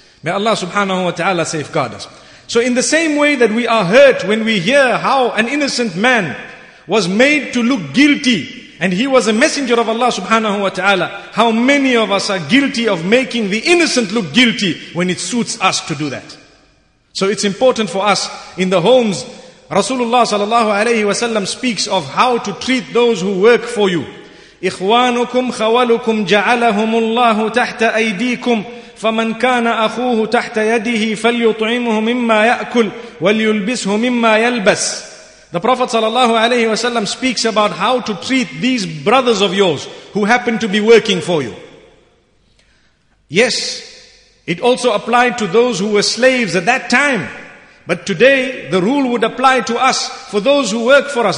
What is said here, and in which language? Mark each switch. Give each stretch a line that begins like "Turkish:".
English: May Allah subhanahu wa ta'ala safeguard us. So in the same way that we are hurt when we hear how an innocent man was made to look guilty, and he was a messenger of Allah subhanahu wa ta'ala, how many of us are guilty of making the innocent look guilty when it suits us to do that? So it's important for us in the homes. Rasulullah sallallahu alayhi wa sallam speaks of how to treat those who work for you.
Arabic: إخوانكم خوالكم جعلهم الله تحت أيديكم فمن كان أخوه تحت يده فليطعمه مما يأكل وليلبسه مما يلبس.
English: The Prophet sallallahu alayhi wa sallam speaks about how to treat these brothers of yours who happen to be working for you. Yes, it also applied to those who were slaves at that time. But today, the rule would apply to us, for those who work for us.